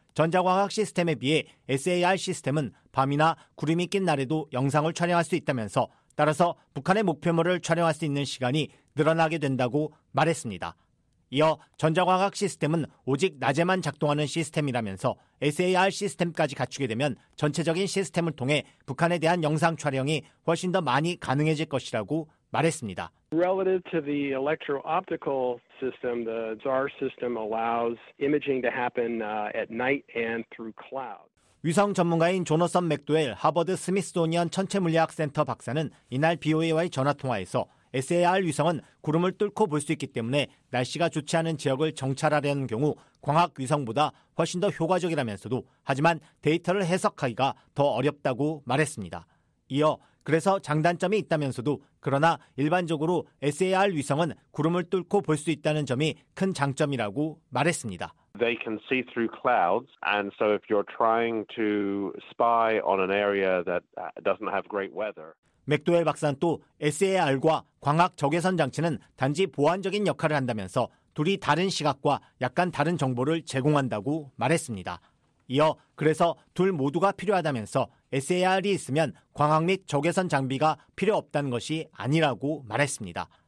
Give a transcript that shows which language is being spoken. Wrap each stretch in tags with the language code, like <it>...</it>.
<ko>전자광학 시스템에 비해 SAR 시스템은 밤이나 구름이 낀 날에도 영상을 촬영할 수 있다면서 따라서 북한의 목표물을 촬영할 수 있는 시간이 늘어나게 된다고 말했습니다. 이어 전자광학 시스템은 오직 낮에만 작동하는 시스템이라면서 SAR 시스템까지 갖추게 되면 전체적인 시스템을 통해 북한에 대한 영상 촬영이 훨씬 더 많이 가능해질 것이라고 말했습니다.</ko> <en>Relative to the electro-optical system, the ZAR system allows imaging to happen at night and through cloud.</en> <ko>위성 전문가인 조너선 맥도웰 하버드 스미스소니언 천체물리학센터 박사는 이날 BOA와의 전화통화에서 SAR 위성은 구름을 뚫고 볼 수 있기 때문에 날씨가 좋지 않은 지역을 정찰하려는 경우 광학 위성보다 훨씬 더 효과적이라면서도 하지만 데이터를 해석하기가 더 어렵다고 말했습니다. 이어 그래서 장단점이 있다면서도 그러나 일반적으로 SAR 위성은 구름을 뚫고 볼 수 있다는 점이 큰 장점이라고 말했습니다.</ko> <en>They can see through clouds, and so if you're trying to spy on an area that doesn't have great weather.</en> <ko>맥도웰 박사는 또 SAR과 광학 적외선 장치는 단지 보완적인 역할을 한다면서 둘이 다른 시각과 약간 다른 정보를 제공한다고 말했습니다. 이어 그래서 둘 모두가 필요하다면서 SAR이 있으면 광학 및 적외선 장비가 필요 없다는 것이 아니라고 말했습니다.</ko>